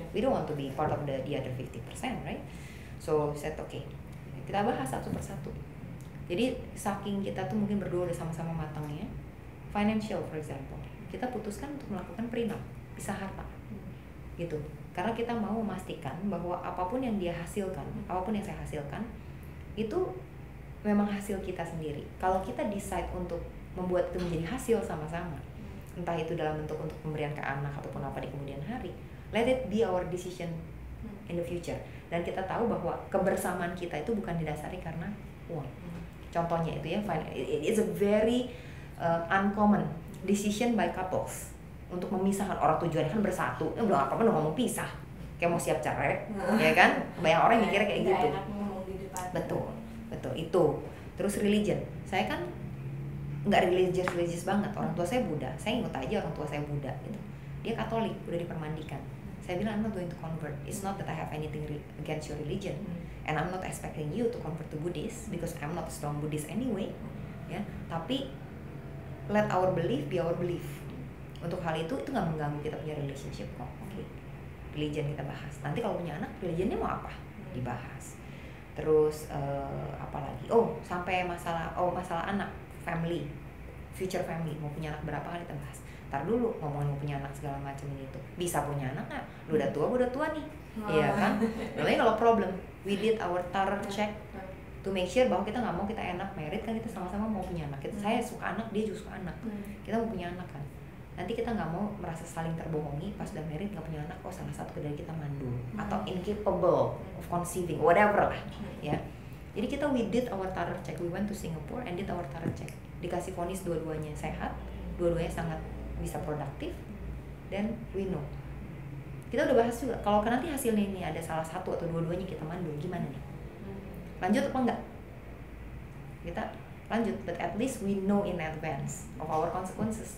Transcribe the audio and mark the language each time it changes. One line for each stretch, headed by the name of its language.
English: We don't want to be part of the other 50%, right? So, said okay.
Indonesian: Kita bahas satu persatu. Jadi, saking kita tuh mungkin berdua udah sama-sama matangnya.
English: Financial for example.
Indonesian: Kita putuskan untuk melakukan prenup, pisah harta, gitu. Karena kita mau memastikan bahwa apapun yang dia hasilkan, apapun yang saya hasilkan, itu memang hasil kita sendiri. Kalau kita decide untuk membuat itu menjadi hasil sama-sama, entah itu dalam bentuk untuk pemberian ke anak ataupun apa di kemudian hari,
English: let it be our decision in the future.
Indonesian: Dan kita tahu bahwa kebersamaan kita itu bukan didasari karena uang. Contohnya itu ya,
English: it's a very uncommon decision by couples
Indonesian: untuk memisahkan orang tujuannya kan bersatu. Ya, belum apa-apa udah ngomong pisah. Kayak mau siap cerai, ya kan? Banyak orang yang mikirnya kayak gitu. Enak ngomong di depan. Betul. Itu. Terus religion. Saya kan enggak religious banget. Orang tua saya Buddha. Saya ngikut aja orang tua saya Buddha gitu. Dia Katolik, udah dipermandikan. Saya bilang
English: I'm not going to convert. It's not that I have anything against your religion. And I'm not expecting you to convert to Buddhist because I'm not a strong Buddhist anyway.
Indonesian: Ya, tapi
English: let our belief be our belief.
Indonesian: Untuk hal itu gak mengganggu kita punya relationship kok. Okay. Religion kita bahas. Nanti kalau punya anak, religionnya mau apa? Dibahas. Terus, apa lagi? Masalah anak. Family. Future family. Mau punya anak berapa kali kita bahas. Ntar dulu, ngomongin mau punya anak segala macam ini tuh. Bisa punya anak gak? Lu udah tua, gue udah tua nih. Iya kan? Namanya kalau problem.
English: We did our thorough check. To make sure
Indonesian: bahwa kita gak mau kita enak married kan, kita sama-sama mau punya anak. Saya suka anak, dia juga suka anak. Kita mau punya anak kan. Nanti kita gak mau merasa saling terbohongi pas udah married gak punya anak, oh salah satu dari kita mandul.
English: Atau incapable of conceiving, whatever lah. Ya.
Indonesian: Jadi kita
English: we did our thorough check, we went to Singapore and did our thorough check.
Indonesian: Dikasih vonis dua-duanya sehat, dua-duanya sangat bisa produktif.
English: Then we know.
Indonesian: Kita udah bahas juga, kalau nanti hasilnya ini ada salah satu atau dua-duanya kita mandul, gimana nih? Lanjut apa enggak? Kita lanjut,
English: but at least we know in advance of our consequences.